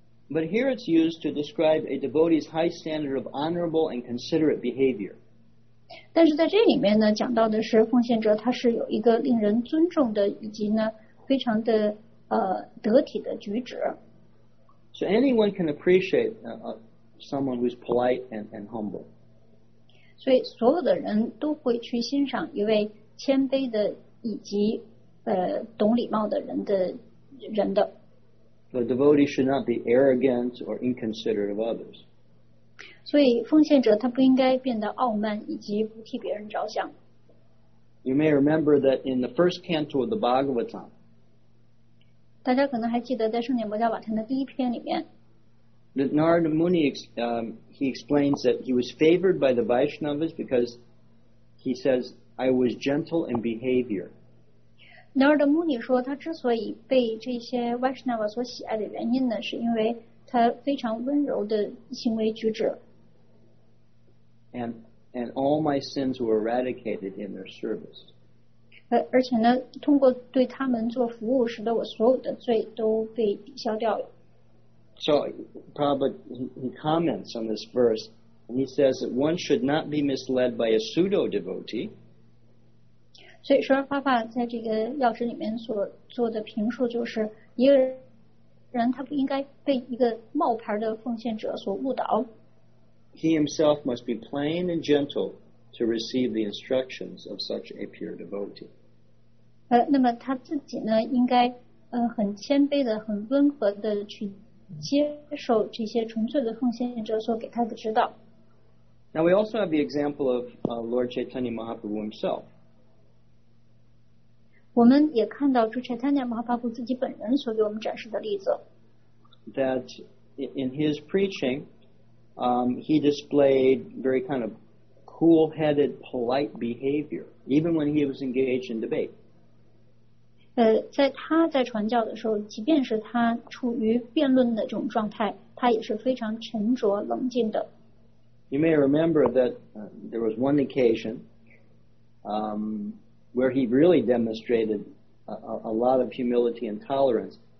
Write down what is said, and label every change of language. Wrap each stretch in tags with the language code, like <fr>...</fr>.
<en>But here it's used to describe a devotee's high standard of honorable and considerate behavior.</en> <zh>但是在这里面呢，讲到的是奉献者，他是有一个令人尊重的，以及呢，非常的。得体的举止。</zh> <en>So anyone can appreciate someone who's polite and humble.</en> <zh>所以所有的人都会去欣赏一位谦卑的以及懂礼貌的人的人的。</zh> <en>The devotee should not be arrogant or inconsiderate of others.</en> <zh>所以奉献者他不应该变得傲慢以及不替别人着想。</zh> <en>You may remember that in the first canto of the Bhagavatam,</en> <zh>大家可能还记得在圣典摩迦瓦坛的第一篇里面</zh> <en>Narada Muni he explains that he was favored by the Vaishnavas because he says I was gentle in behavior.</en> <zh>Narada Muni 说他之所以被这些 Vaishnava 所喜爱的原因呢，是因为他非常温柔的行为举止。</zh> <en>And all my sins were eradicated in their service.</en> <zh>而且呢，通过对他们做服务，使得我所有的罪都被抵消掉了。</zh> <en>So, Prabhupada he comments on this verse, and he says that one should not be misled by a pseudo devotee.</en> <zh>所以，舍尔法法在这个要旨里面所做的评述就是，一个人他不应该被一个冒牌的奉献者所误导。</zh> <en>He himself must be plain and gentle. To receive the instructions of such a pure devotee.</en> <zh>那么他自己呢，应该很谦卑的、很温和的去接受这些纯粹的奉献者所给他的指导。</zh> <en>Now we also have the example of Lord Chaitanya Mahaprabhu himself.</en> <zh>我们也看到主 Chaitanya Mahaprabhu 自己本人所给我们展示的例子。</zh> <en>That in his preaching, he displayed very kind of. Cool-headed, polite behavior, even when he was engaged in debate.</en> <zh>在他在传教的时候，即便是他处于辩论的这种状态，他也是非常沉着冷静的。</zh> <en>You may remember that there was one occasion where he really demonstrated a lot of humility and tolerance.</en>